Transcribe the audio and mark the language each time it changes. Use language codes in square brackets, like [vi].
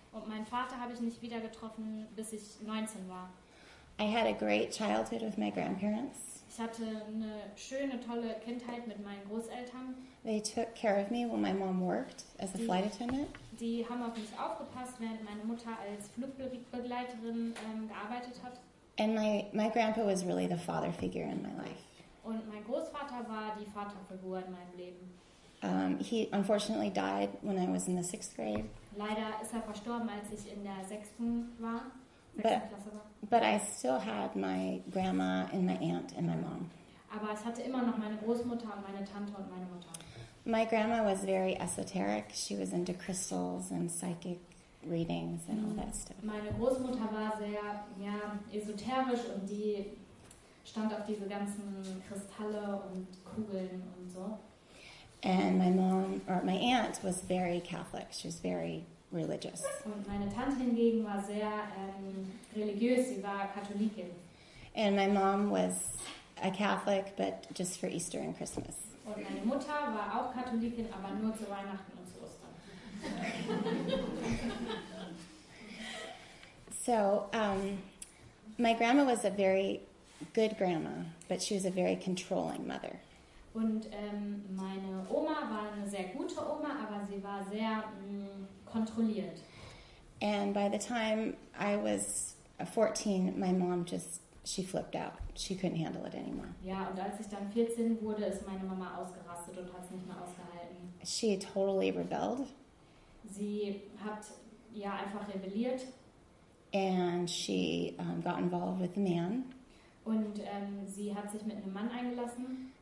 [de] Und meinen Vater habe ich nicht wieder getroffen, bis ich 19 war. [en] I had a great childhood with my grandparents. [de] Ich hatte eine schöne, tolle Kindheit mit meinen Großeltern. [en] They took care of me when my mom worked as a flight attendant. [de] Die haben auf mich aufgepasst, während meine Mutter als Flugbegleiterin gearbeitet hat. [en] And my grandpa was really the father figure in my life. [de] Und mein Großvater war die Vaterfigur in meinem Leben. [en] He unfortunately died when I was in the sixth grade. [de] Leider ist er verstorben, als ich in der sechsten war. [en] But I still had my grandma and my aunt and my mom. [de] Aber ich hatte immer noch meine Großmutter und meine Tante und meine Mutter. [en] My grandma was very esoteric. She was into crystals and psychic readings and all that stuff. [de] Meine Großmutter war sehr, ja, esoterisch und die stand auf diese ganzen Kristalle und Kugeln und so. [en] And my mom, or my aunt, was very Catholic. She was very religious. [de] Und meine Tante hingegen war sehr religiös. Sie war Katholikin. [en] And my mom was a Catholic, but just for Easter and Christmas. [de] Und meine Mutter war auch Katholikin, aber nur zu Weihnachten und zu Ostern. [en] So, my grandma was a very good grandma, but she was a very controlling mother. [de] Und meine Oma war eine sehr gute Oma, aber sie war sehr kontrolliert. [en] And by the time I was 14, my mom just, she flipped out. She couldn't handle it anymore. [de] Ja, und als ich dann 14 wurde, ist meine Mama ausgerastet und hat es nicht mehr ausgehalten. [en] She totally rebelled. [de] Sie hat, ja, einfach rebelliert. [en] And she got involved with a man. [de] Und sie hat sich mit einem Mann eingelassen.